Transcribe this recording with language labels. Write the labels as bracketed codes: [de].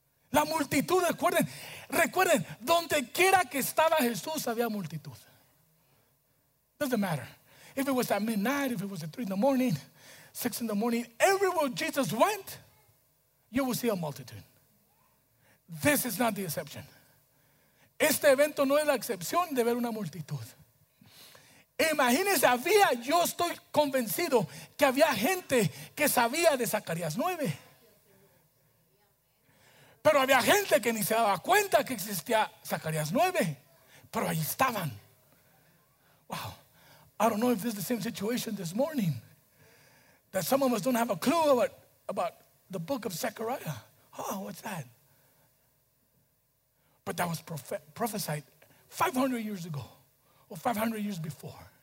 [es] La multitud, recuerden, donde quiera que estaba Jesús había multitud. [en] Doesn't matter. If it was at midnight, if it was at 3 in the morning, 6 in the morning, everywhere Jesus went, you will see a multitude. This is not the exception. [es] Este evento no es la excepción de ver una multitud. Imagínense, yo estoy convencido que había gente que sabía de Zacarías 9. Pero había gente que ni se daba cuenta que existía Zacarías 9. Pero ahí estaban. Wow. [en] I don't know if this is the same situation this morning, that some of us don't have a clue about the book of Zechariah. Oh, what's that? But that was prophesied 500 years ago, or 500 years before.